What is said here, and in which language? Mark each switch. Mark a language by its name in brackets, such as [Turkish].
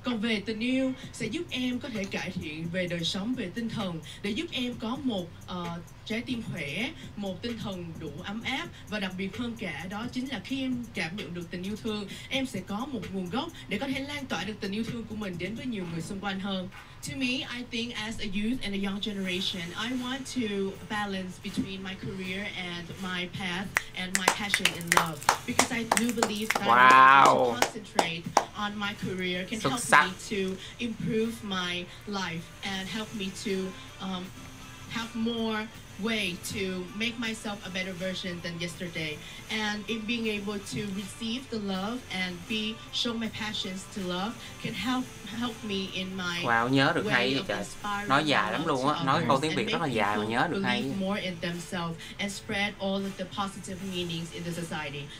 [Vietnamese] Còn về tình yêu sẽ giúp em có thể cải thiện về đời sống về tinh thần để giúp em có một trái tim khỏe, một tinh thần đủ ấm áp và đặc biệt hơn cả đó chính là khi em cảm nhận được tình yêu thương, em sẽ có một nguồn gốc để có thể lan tỏa được tình yêu thương của mình đến với nhiều người xung quanh hơn. [English] To me, I think as a youth and a young generation, I want to balance between my career and my path and my passion in love. Because I do believe that wow. To concentrate on my career can help me to improve my life and help me to have more way to make myself a better version than yesterday. And in being able to receive the love and be show my passions to love can help me in my [Vietnamese] wow, nhớ được hay vậy trời. Nói dài lắm luôn á, nói câu tiếng Việt rất là dài mà nhớ được hay. [English] More in themselves and spread all of the positive meanings in the society.